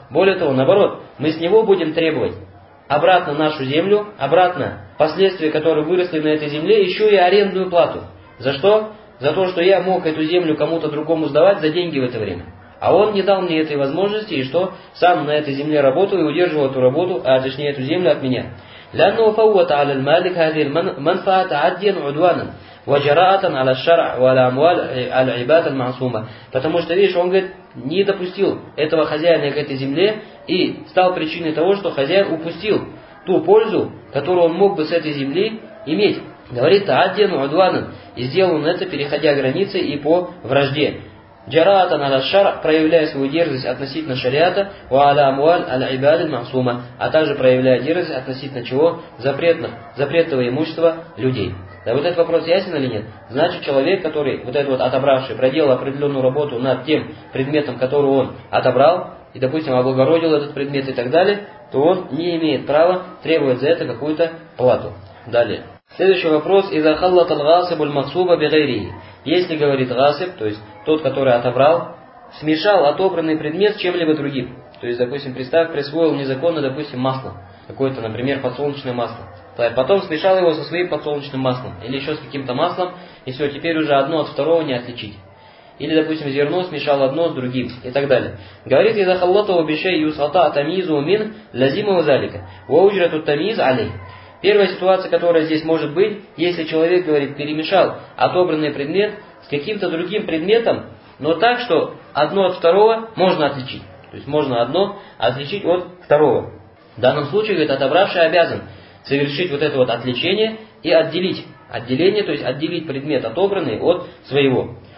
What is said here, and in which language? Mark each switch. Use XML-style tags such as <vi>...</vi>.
<ru>Более того, наоборот, мы с него будем требовать обратно нашу землю, обратно последствия, которые выросли на этой земле, еще и арендную плату За что? За то, что я мог эту землю кому-то другому сдавать за деньги в это время. А он не дал мне этой возможности, и что? Сам на этой земле работал и удерживал эту работу, а точнее эту землю от меня.</ru> <ar>لأنه فوت على المالك هذه المنفعة تعديا عدوانا وجراءة على الشرع وعلى أموال العباد المعصومة.</ar> <ru>Потому что, видишь, он говорит, не допустил этого хозяина к этой земле и стал причиной того, что хозяин упустил ту пользу, которую он мог бы с этой земли иметь. Говорит,</ru> <ar>تعديا عدوانا,</ar> <ru>и сделал он это, переходя границы и по вражде.</ru> <ar>جراءه على الشرع,</ar> <ru>проявляя свою дерзость относительно шариата,</ru> <ar>وعلى اموال العباد المعصومه,</ar> <ru>а также проявляя дерзость относительно чего? Запретного имущества людей. Да, вот этот вопрос ясен или нет? Значит, человек, который вот этот вот отобравший, проделал определенную работу над тем предметом, который он отобрал, и, допустим, облагородил этот предмет и так далее, то он не имеет права требовать за это какую-то плату. Далее. Следующий вопрос.</ru> <ar>إذا خلط الغاصب المغصوب بغيره.</ar> <ru>Если, говорит غасиб, то есть тот, который отобрал, смешал отобранный предмет с чем-либо другим. То есть, допустим, представь, присвоил незаконно, допустим, масло. Какое-то, например, подсолнечное масло. Потом смешал его со своим подсолнечным маслом. Или еще с каким-то маслом. И все, теперь уже одно от второго не отличить. Или, допустим, зерно смешал одно с другим. И так далее. Говорит,</ru> <ar>إذا خلط بشيء يسقط تمييزه من لزمه ذلك. وأجرة التمييز عليه.</ar> <ru>Первая ситуация, которая здесь может быть, если человек, говорит, перемешал отобранный предмет с каким-то другим предметом, но так, что одно от второго можно отличить. То есть можно одно отличить от второго. В данном случае, говорит, отобравший обязан совершить вот это вот отличение и отделить предмет отобранный от своего.</ru>